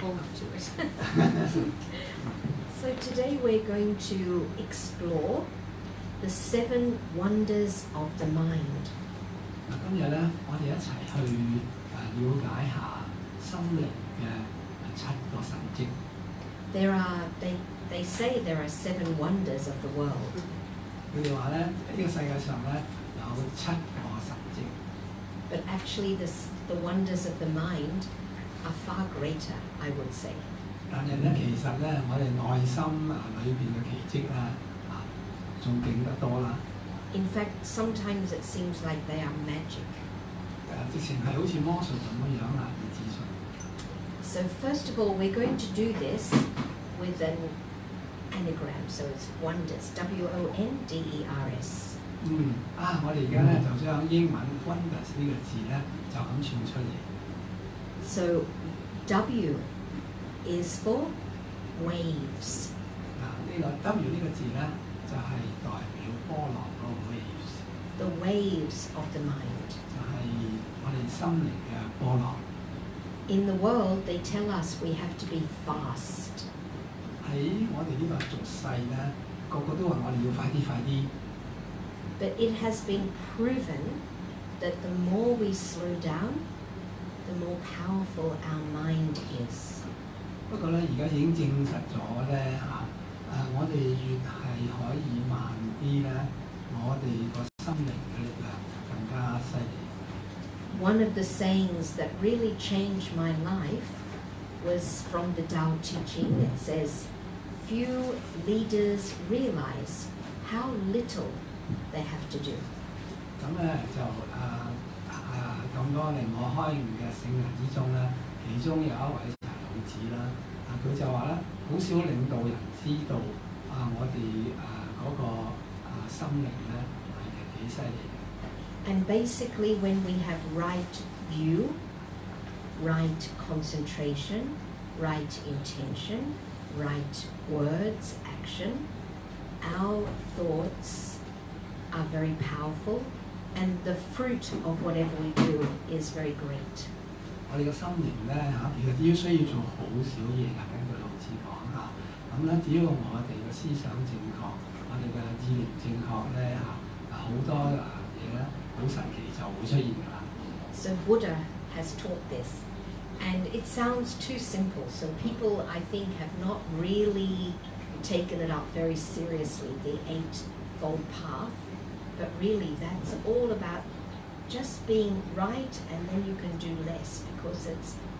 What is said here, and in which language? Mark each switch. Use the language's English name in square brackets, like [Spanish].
[Chinese] 所以 [English] today we're going to explore the seven wonders of the mind. [Chinese] 今天我们一起去了解一下心灵的七个神迹。 [English] There are, they say there are seven wonders of the world. [Chinese] 他们说这个世界上有七个神迹。 [English] But actually, the wonders of the mind are far greater, I would say. [Chinese] 但是其實我們內心裡面的奇蹟更厲害多了。 [English] In fact, sometimes it seems like they are magic. [Chinese] 直接是好像魔術一樣的資訊。 [English] So first of all, we're going to do this with an anagram. So it's wonders, W-O-N-D-E-R-S. [Chinese] 我們現在就將英文 wonders 這個字就這樣唱出來。 [English] So W,is for waves. [Chinese] 这个 W 这个字呢就是代表波浪的 waves. [English] The waves of the mind. [Chinese] 就是我们心灵的波浪。 [English] In the world, they tell us we have to be fast. [Chinese] 在我们这个俗世呢个个都说我们要快点快点。 [English] But it has been proven that the more we slow down, the more powerful our mind is. [Chinese] 不過現在已經證實了我們越是可以慢一點，我們的心靈的力量更加厲害。 [English] One of the sayings that really changed my life was from the Tao Te Ching. It says, few leaders realize how little they have to do. [Chinese] 咁多年我開悟的聖人之中，其中有一位就是老子，他就說很少領導人知道我們那個心靈是多厲害的。 [English] And basically when we have right view, right concentration, right intention, right words, action, our thoughts are very powerful and the fruit of whatever we do is very great. [Chinese] 我們的心靈呢，其實只需要做很少事，根據老子說，只要我們的思想正確，我們的意念正確，很多東西很神奇就會出現了。 [English] So Buddha has taught this, and it sounds too simple, so people I think have not really taken it up very seriously, the Eightfold Path, but really that's all aboutjust being right and then you can do less because it's